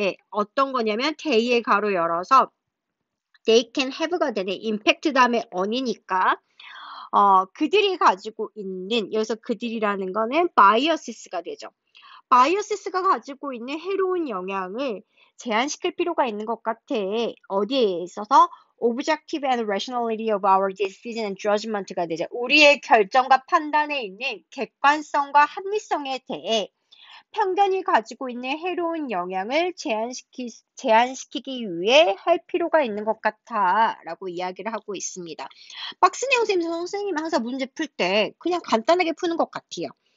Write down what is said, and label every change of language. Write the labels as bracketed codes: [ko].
[ko] 어떤 거냐면 they의 괄호 열어서 [en] they can have [ko] 가 되네. impact 다음에 on이니까. 그들이 가지고 있는, 여기서 그들이라는 거는 바이어시스가 되죠. 바이어시스가 가지고 있는 해로운 영향을 제한시킬 필요가 있는 것 같아. 어디에 있어서? [en] Objective and rationality of our decision and judgment가 되죠. [ko] 우리의 결정과 판단에 있는 객관성과 합리성에 대해 편견이 가지고 있는 해로운 영향을 제한시키기 위해 할 필요가 있는 것 같아라고 이야기를 하고 있습니다. 박스네 선생님은 항상 문제 풀때 그냥 간단하게 푸는 것 같아요.